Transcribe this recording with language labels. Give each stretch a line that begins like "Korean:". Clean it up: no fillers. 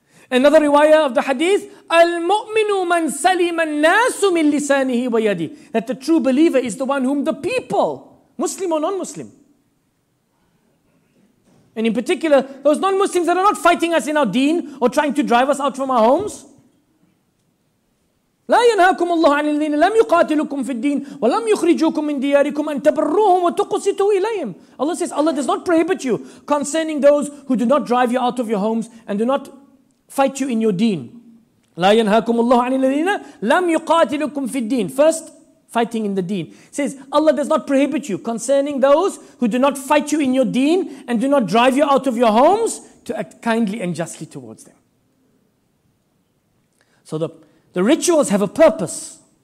English: Another riwayah of the hadith,
Arabic: al-mu'minu man salima an-nasu min lisanihi wa yadi.
English: That the true believer is the one whom the people Muslim or non-Muslim. And in particular, those non-Muslims that are not fighting us in our deen or trying to drive us out from our homes.
Arabic: لا ينهاكم الله عن الذين لم يقاتلوكم في الدين ولم يخرجوكم من دياركم أن تبروهم وتقسطوا إليهم.
English: Allah says, Allah does not prohibit you concerning those who do not drive you out of your homes and do not fight you in your deen.
Arabic: لا ينهاكم الله عن الذين لم يقاتلوكم في الدين.
English: First, fighting in the deen. Says, Allah does not prohibit you concerning those who do not fight you in your deen and do not drive you out of your homes to act kindly and justly towards them. So the rituals have a purpose.